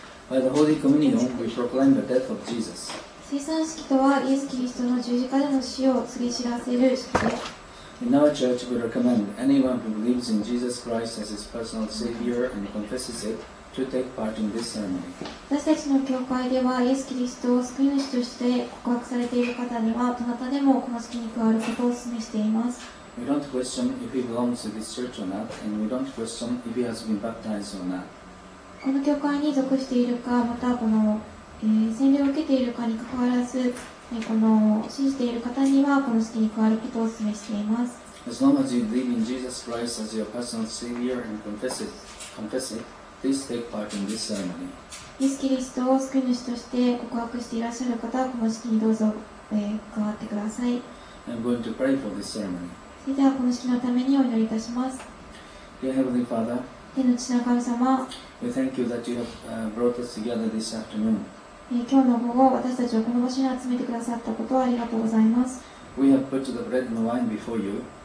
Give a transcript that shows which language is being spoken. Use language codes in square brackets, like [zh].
[en] By the Holy Communion, we proclaim the death of Jesus. [ja] 水産式とはイエス・キリストの十字架での死を告げ知らせる式です。 [en] In our church, we recommend anyone who believes in Jesus Christ as his personal Savior and confesses it to take part in this ceremony. [ja] 私たちの教会ではイエス・キリストを救い主として告白されている方にはどなたでもこの式に加わることをお勧めしています。 [en] We don't question if he belongs to this church or not, and we don't question if he has been baptized or not. [ja] この教会に属しているか、またこの洗礼を受けているかにかかわらず、この信じている方にはこの式に加わることをお勧めしています。 [en] As long as you believe in Jesus Christ as your personal Savior and confess it, please take part in this ceremony. [ja] イエス・キリストを救い主として告白していらっしゃる方はこの式にどうぞ、加わってください。 [en] I'm going to pray for this ceremony. [ja] それではこの式のためにお祈りいたします。 [en] Dear Heavenly Father, [ja] 天の父の神様、 [en] We thank you that you have brought us together this afternoon. [ja] 今日の午後、私たちをこの場所に集めてくださったことをありがとうございます。 [en] We have put the bread and wine before you.